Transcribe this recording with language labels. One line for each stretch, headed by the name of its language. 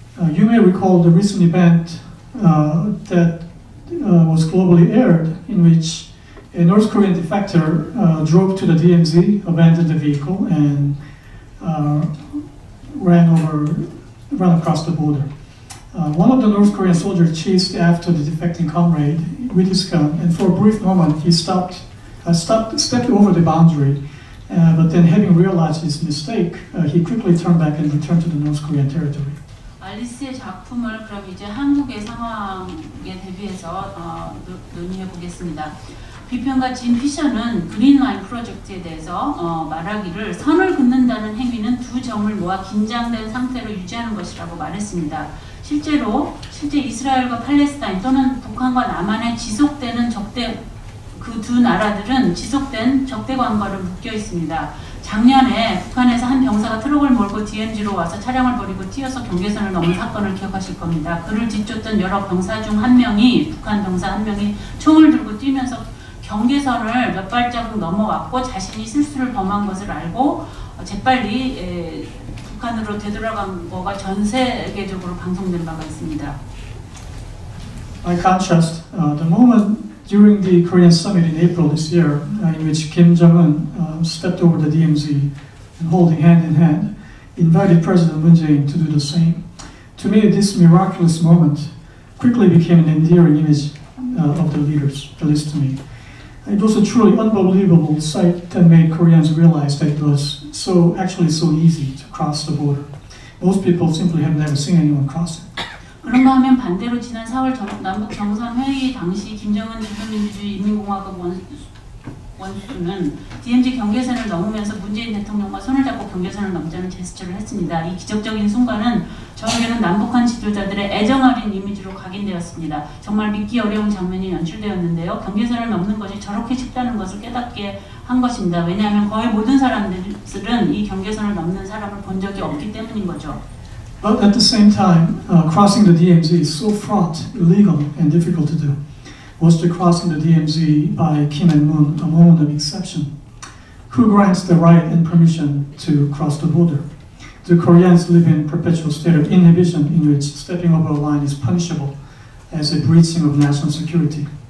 English: You may recall the recent event that was globally aired in which a North Korean defector drove to the DMZ, abandoned the vehicle, and ran across the border. One of the North Korean soldiers chased after the defecting comrade with his gun, and for a brief moment he stepped over the boundary, but then having realized his mistake, he quickly turned back and returned to the North Korean territory.
Korean: 알리스의 작품을 그럼 이제 한국의 상황에 대비해서 논의해 보겠습니다. 비평가 진 피셔는 그린 라인 프로젝트에 대해서 말하기를 선을 긋는다는 행위는 두 점을 모아 긴장된 상태로 유지하는 것이라고 말했습니다. 실제 이스라엘과 팔레스타인 또는 북한과 남한의 지속되는 적대 그 두 나라들은 지속된 적대 관계로 묶여 있습니다. 작년에 북한에서 한 병사가 트럭을 몰고 DMZ로 와서 차량을 버리고 뛰어서 경계선을 넘은 사건을 기억하실 겁니다. 그를 뒤쫓던 여러 병사 중 한 명이 북한 병사 한 명이 총을 들고 뛰면서 경계선을 몇 발자국 넘어왔고 자신이 실수를 범한 것을 알고 재빨리 북한으로 되돌아간 거가 전 세계적으로 방송된 바가 있습니다.
English: By contrast, the moment during the Korean summit in April this year, in which Kim Jong-un stepped over the DMZ and holding hand in hand, invited President Moon Jae-in to do the same. To me, this miraculous moment quickly became an endearing image of the leaders, at least to me. It was a truly unbelievable sight that made Koreans realize that it was so easy to cross the border. Most people simply have never seen anyone cross it.
Korean: 그런가 하면 반대로 지난 4월 남북정상회의 당시 김정은 민주주의인민공화국 원수는 DMZ 경계선을 넘으면서 문재인 대통령과 손을 잡고 경계선을 넘자는 제스처를 했습니다. 이 기적적인 순간은 저에게는 남북한 지도자들의 애정어린 이미지로 각인되었습니다. 정말 믿기 어려운 장면이 연출되었는데요. 경계선을 넘는 것이 저렇게 쉽다는 것을 깨닫게 한 것입니다. 왜냐하면 거의 모든 사람들은 이 경계선을 넘는 사람을 본 적이 없기 때문인 거죠.
English: But at the same time, crossing the DMZ is so fraught, illegal, and difficult to do. Was the crossing the DMZ by Kim and Moon a moment of exception? Who grants the right and permission to cross the border? Do Koreans live in a perpetual state of inhibition in which stepping over a line is punishable as a breaching of national security?